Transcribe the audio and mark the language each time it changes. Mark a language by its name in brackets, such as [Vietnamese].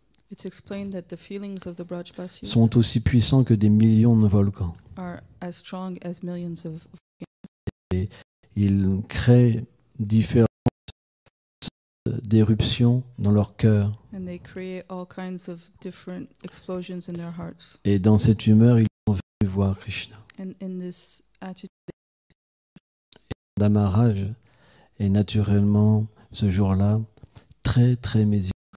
[English] it's explained that the feelings of the Vrajabhasis [French] sont aussi puissants que des millions de volcans. [English] Are as strong as millions of volcans. [French] Et ils créent différents d'éruptions dans leur cœur. [English] And they create all kinds of different explosions in their hearts. [French] Et dans cette humeur, ils sont venus voir Krishna. [English] And in this attitude, [French] et Damaraj est naturellement, ce jour-là, très, très miséricordieux.